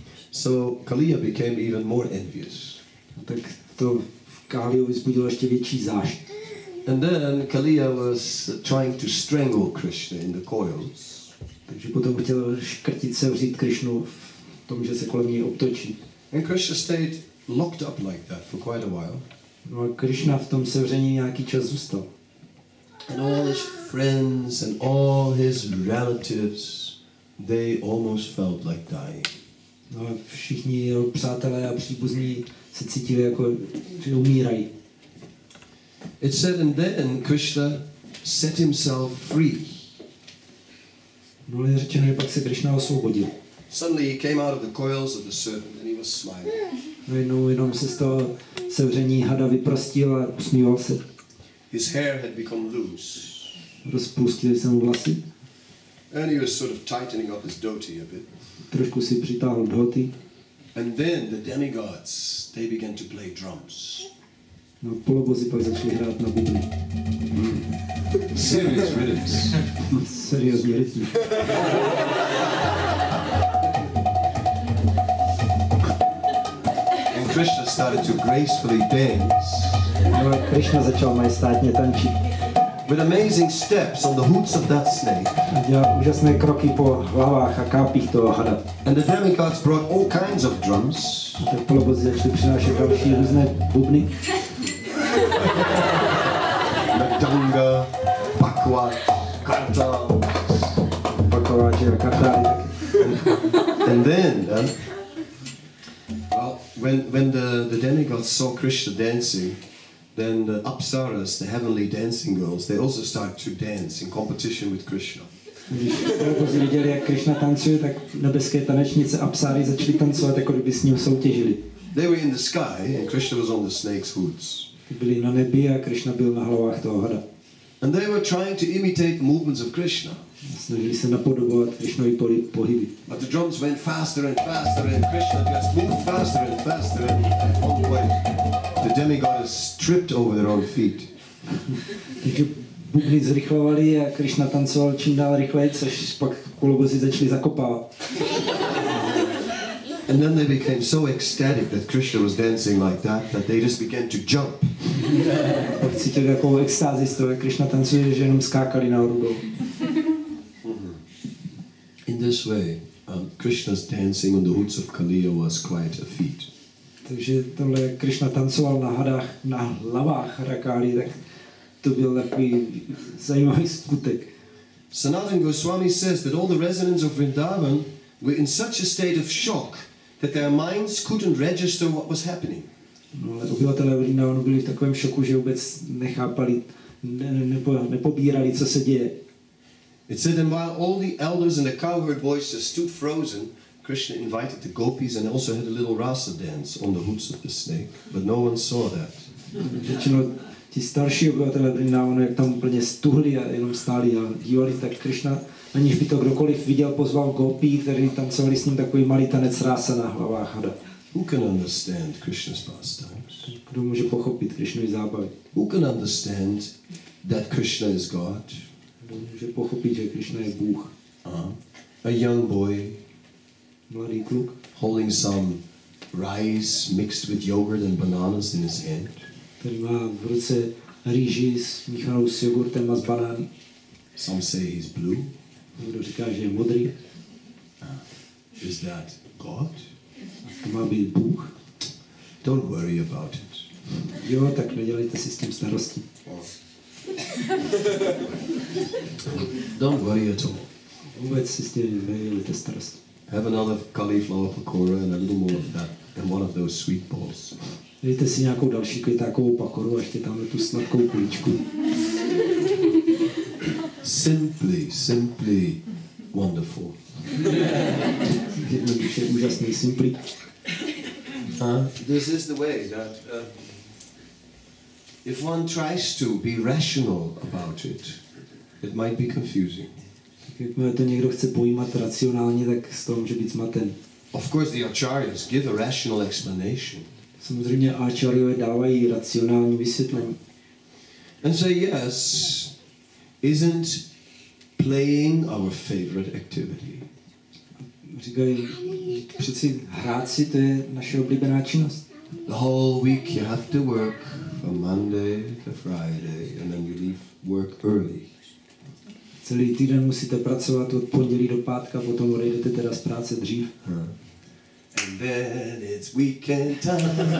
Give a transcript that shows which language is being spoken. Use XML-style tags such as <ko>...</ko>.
<en>So Kaliya became even more envious.</en> <cs>No, tak to v Kaliyovi vzbudilo ještě větší zášť.</cs> <en>And then Kaliya was trying to strangle Krishna in the coils.</en> <cs>Takže potom chtěl škrtit se, vzít Krishnu v tom, že se kolem něj obtočí.</cs> <en>And Krishna stayed locked up like that for quite a while.</en> <cs>No a Krishna v tom sevření nějaký čas zůstal.</cs> <en>And all his friends and all his relatives, they almost felt like dying.</en> <cs>No a všichni jeho přátelé a příbuzní se cítili jako, že umírají.</cs> <en>It said, and then Krishna set himself free.</en> <cs>No je řečeno, že pak se Krishna osvobodil.</cs> <en>Suddenly he came out of the coils of the serpent and he was smiling.</en> <cs>Najednou jenom se z toho sevření hada vyprostil a usmíval se.</cs> <en>His hair had become loose.</en> <cs>Rozpustil se mu vlasy.</cs> <en>And he was sort of tightening up his dhoti a bit.</en> <cs>Trošku si přitáhl dhoti.</cs> <en>And then the demigods, they began to play drums.</en> <cs>No, polobozy pak začali hrát na bubny.</cs> <en>Serious rhythms.</en> <cs>Seriózní rytmy.</cs> <en>And Krishna started to gracefully dance.</en> <cs>No, Krishna začal majestátně tančit.</cs> <en>With amazing steps on the hoofs of that snake.</en> <cs>A dělal úžasné kroky po hlavách a kápích toho hada.</cs> <en>And the demigods brought all kinds of drums.</en> <cs>A tak polobozy začali přinášet další různé bubny. Danga, bakwa, karta, bakwa, karta.</cs> <en>And then, when the demigods saw Krishna dancing, then the apsaras, the heavenly dancing girls, they also start to dance in competition with Krishna.</en> <cs>Když viděli, jak Krishna tancuje, tak nebeské tanečnice apsary začaly tancovat, jako kdyby s ním soutěžili.</cs> <en>They were in the sky, and Krishna was on the snake's hoofs.</en> <cs>Byli na nebi a Krishna byl na hlavách toho hada.</cs> <en>And they were trying to imitate the movements of Krishna.</en> <cs>Snažili se napodobovat Krishnovy pohyby.</cs> <en>But the drums went faster and faster and Krishna just moved faster and faster and at one point the demigoddess tripped over their own feet.</en> <cs>Takže bubny zrychlovali a Krishna tancoval čím dál rychleji, což pak kolobozy začali zakopávat.</cs> <en>And then they became so ecstatic that Krishna was dancing like that that they just began to jump.</en> <cs>Cítili takovou extázi z toho, jak Krishna tancuje, že jenom skákali nahoru dolů.</cs> <en>In this way, Krishna's dancing on the hoofs of Kaliya was quite a feat.</en> <cs>Takže tohle, jak Krishna tancoval na hadách, na hlavách Rakali, tak to byl takový zajímavý skutek.</cs> <en>Sanatan Goswami says that all the residents of Vrindavan were in such a state of shock that their minds couldn't register what was happening.</en> <cs>No, ale obyvatelé Vrindavanu byli v takovém šoku, že vůbec nechápali, nepobírali, co se děje.</cs> <en>It said that while all the elders and the cowherd boys just stood frozen, Krishna invited the gopis and also had a little rasa dance on the hoofs of the snake, but no one saw that.</en> <cs>Většinou ti starší obyvatelé Vrindavanu, jak tam úplně stuhli a jenom stáli a dívali, tak Krishna, aniž by to kdokoliv viděl, pozval gopí, kteří tancovali s ním takový malý tanec rasa na hlavách.</cs> <en>Who can understand Krishna's pastimes?</en> <cs>Kdo může pochopit Krishnovy zábavy?</cs> <en>Who can understand that Krishna is God?</en> <cs>Kdo může pochopit, že Krishna je Bůh?</cs> <en>A young boy,</en> <cs>mladý kluk,</cs> <en>holding some rice mixed with yogurt and bananas in his hand.</en> <cs>Který má v ruce rýži smíchanou s jogurtem a s banány.</cs> <en>Some say he's blue.</en> <cs>Kdo říká, že je modrý?</cs> <en>Is that God?</en> <cs>To má být Bůh.</cs> <en>Don't worry about it.</en> <cs>Jo, tak nedělejte si s tím starosti.</cs> <en>Don't worry at all.</en> <cs>Vůbec si s tím nedělejte starosti.</cs> <en>Have another cauliflower pakora and a little more of that and one of those sweet balls.</en> <cs>Dejte si nějakou další květákovou pakoru a ještě tamhle tu sladkou kuličku.</cs> <en>Simply wonderful.</en> <cs>Jednoduše úžasný, simply.</cs> <en>This is the way that if one tries to be rational about it, it might be confusing.</en> <cs>Když to někdo chce pojímat racionálně, tak z toho může být zmaten.</cs> <en>Of course, the acharyas give a rational explanation.</en> <cs>Samozřejmě acharyové dávají racionální vysvětlení.</cs> <en>And say yes, isn't playing our favorite activity?</en> <cs>Říkají, přeci hrát si, to je naše oblíbená činnost.</cs> <en>The whole week you have to work from Monday to Friday and then you leave work early.</en> <cs>Celý týden musíte pracovat od pondělí do pátka, potom odejdete teda z práce dřív.</cs> <en>And then it's weekend time.</en>